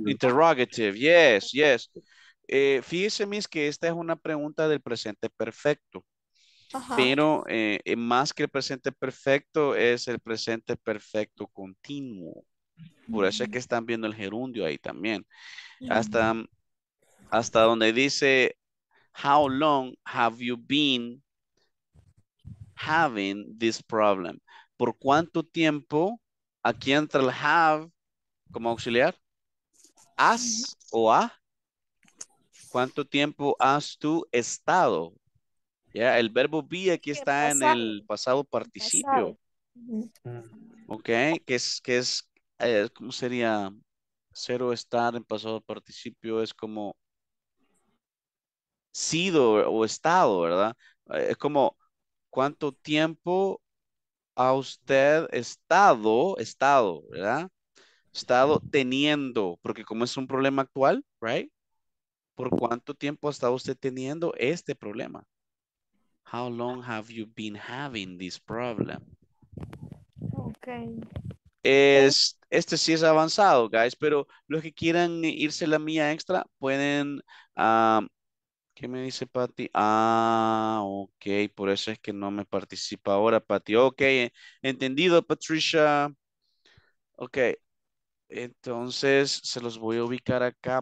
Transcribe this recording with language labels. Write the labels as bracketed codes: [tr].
[en] Interrogative, yes, yes. [es] Fíjese, Miss, que esta es una pregunta del presente perfecto. Pero más que el presente perfecto, es el presente perfecto continuo. Por eso es que están viendo el gerundio ahí también. Hasta donde dice, [en] how long have you been having this problem? [es] ¿Por cuánto tiempo? Aquí entra el have como auxiliar. ¿Has o ha? ¿Cuánto tiempo has tú estado? Yeah, el verbo be aquí está en el pasado participio. Ok, que es ¿cómo sería? Ser o estar en pasado participio es como sido o estado, ¿verdad? Es como, ¿cuánto tiempo ha usted estado, ¿verdad? Estado teniendo, porque como es un problema actual, right? ¿Por cuánto tiempo ha estado usted teniendo este problema? [en] How long have you been having this problem? Okay. [es] Este sí es avanzado, guys, pero los que quieran irse la mía extra pueden, ¿qué me dice Patty? Ah, ok, por eso es que no me participa ahora, Patty. Ok, entendido, Patricia. Ok, entonces se los voy a ubicar acá.